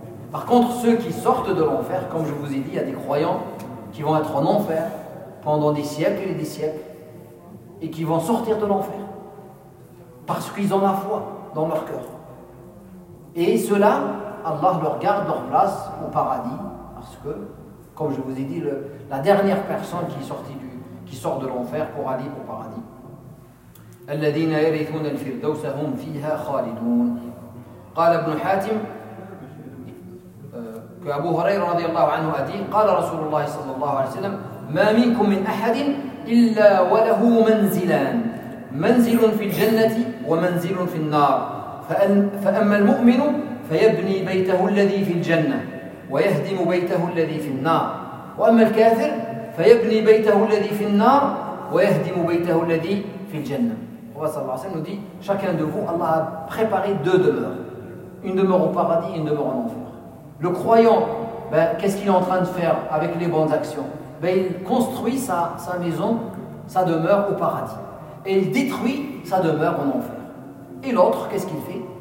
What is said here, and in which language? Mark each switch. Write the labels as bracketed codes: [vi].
[fr] Par contre, ceux qui sortent de l'enfer, comme je vous ai dit, il y a des croyants qui vont être en enfer pendant des siècles et des siècles, et qui vont sortir de l'enfer parce qu'ils ont la foi dans leur cœur. Et ceux-là, Allah leur garde leur place au paradis, parce que, comme je vous ai dit, la dernière personne qui sort de l'enfer pour aller au paradis. [ar] الذين يرثون الفردوس هم فيها خالدون قال ابن حاتم كأبو هريرة رضي الله عنه أديه قال رسول الله صلى الله عليه وسلم ما منكم من أحد إلا وله منزلان منزل في الجنة ومنزل في النار فأما المؤمن فيبني بيته الذي في الجنة ويهدم بيته الذي في النار وأما الكافر فيبني بيته الذي في النار ويهدم بيته الذي في الجنة. [fr] Nous dit, chacun de vous, Allah a préparé deux demeures. Une demeure au paradis et une demeure en enfer. Le croyant, ben, qu'est-ce qu'il est en train de faire avec les bonnes actions ? Ben, il construit sa maison, sa demeure au paradis. Et il détruit sa demeure en enfer. Et l'autre, qu'est-ce qu'il fait ?